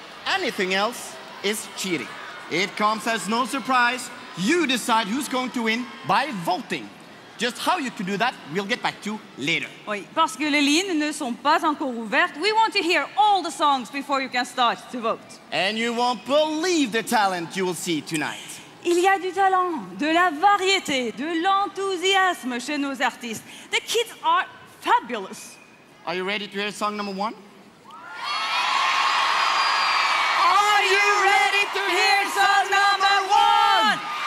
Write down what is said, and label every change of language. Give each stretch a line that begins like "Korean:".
English: Anything else is cheating. It comes as no surprise. You decide who's going to win by voting. Just how you can do that, we'll get back to later.
French: Oui, parce que les lignes ne sont pas encore ouvertes,
English: we want to hear all the songs before you can start to vote. And you won't believe the talent you will see tonight.
French: Il y a du talent, de la variété, de l'enthousiasme chez nos artistes.
English: The kids are fabulous. Are you ready to hear song number one? Are you ready to hear song number one?